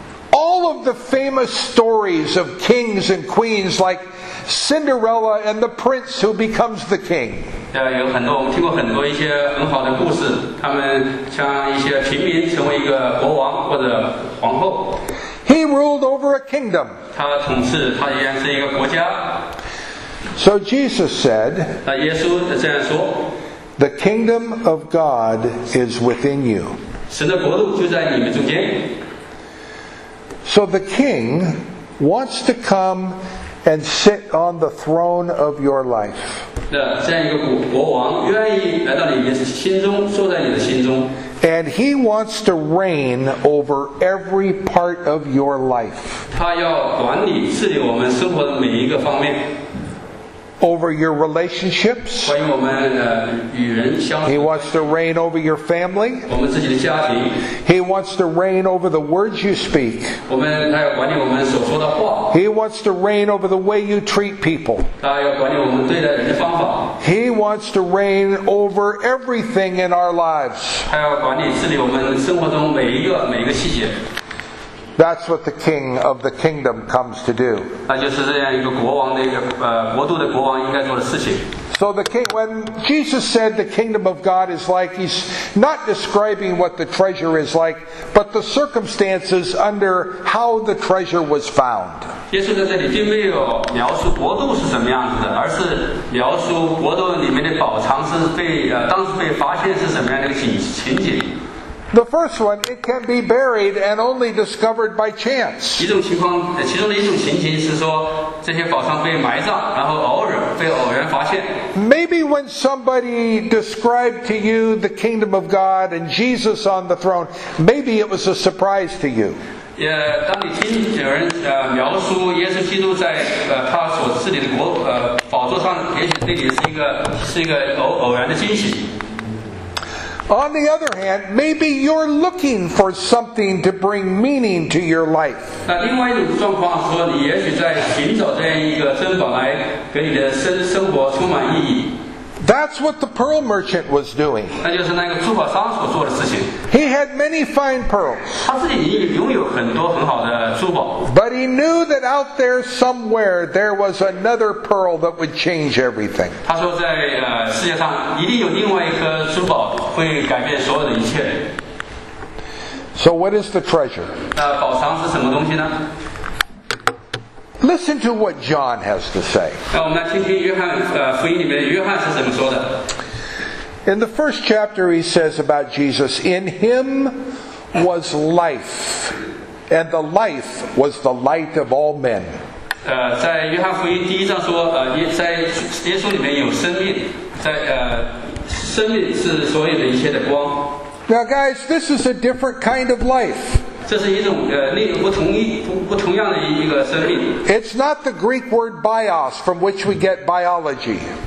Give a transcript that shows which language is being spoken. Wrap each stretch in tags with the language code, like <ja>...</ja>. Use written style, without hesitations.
<en>All of the famous stories of kings and queens, like Cinderella and the prince who becomes the king.</en> <zh>有很多我们听过很多一些很好的故事，他们像一些平民成为一个国王或者皇后。</zh> <en>He ruled over a kingdom.</en> <zh>他统治，他依然是一个国家。</zh> <en>So Jesus said,</en> <zh>那耶稣这样说，</zh> <en>The kingdom of God is within you.</en> <zh>神的国度就在你们中间。</zh> <en>So the king wants to come and sit on the throne of your life.</en> <zh>那这样一个国王愿意来到你的心中，坐在你的心中。</zh> <en>And he wants to reign over every part of your life.</en> <zh>他要管理治理我们生活的每一个方面。</zh> <en>Over your relationships.</en> <zh>关于我们与人相处。</zh> <en>He wants to reign over your family.</en> <zh>我们自己的家庭。</zh> <en>He wants to reign over the words you speak.</en> <zh>我们他要管理我们所说的话。</zh> <en>He wants to reign over the way you treat people.</en> <zh>他要管理我们对待人的方法。</zh> <en>He wants to reign over everything in our lives.</en> <zh>他要管理治理我们生活中每一个细节。</zh> <en>That's what the king of the kingdom comes to do.</en> <zh>那就是这样一个国王的一个国度的国王应该做的事情。</zh> <en>So the king, when Jesus said the kingdom of God is like, he's not describing what the treasure is like, but the circumstances under how the treasure was found.</en> <zh>耶稣在这里并没有描述国度是什么样子的，而是描述国度里面的宝藏是被当时被发现是什么样的情景。</zh> <en>The first one, it can be buried and only discovered by chance.</en> <zh>一种情况，其中的一种情形是说，这些宝藏被埋葬，然后被偶然发现。</zh> <en>Maybe when somebody described to you the kingdom of God and Jesus on the throne, maybe it was a surprise to you.</en> <zh>当你听有人描述耶稣基督在他所治理的国宝座上，也许对你是一个偶然的惊喜。</zh> <en>On the other hand, maybe you're looking for something to bring meaning to your life.</en> <zh>那另外一种状况说，你也许在寻找这样一个珍宝来给你的生活充满意义。</zh> <en>That's what the pearl merchant was doing.</en> <zh>那就是那个珠宝商所做的事情。</zh> <en>He had many fine pearls.</en> <zh>他自己也拥有很多很好的珠宝。</zh> <en>But he knew that out there somewhere there was another pearl that would change everything.</en> <zh>他说在世界上一定有另外一颗珠宝会改变所有的一切。</zh> <en>So what is the treasure?</en> <zh>那宝藏是什么东西呢？</zh> <en>Listen to what John has to say.</en> <zh>那我们来听听约翰，福音里面约翰是怎么说的。</zh> <en>In the first chapter, he says about Jesus, "In him was life, and the life was the light of all men."</en> <zh>在约翰福音第一章说，在耶稣里面有生命，在生命是所有的一切的光。</zh> <en>Now, guys, this is a different kind of life.</en> <zh>这是一种不同样的一个生命。</zh> <en>It's not the Greek word bios from which we get biology.</en>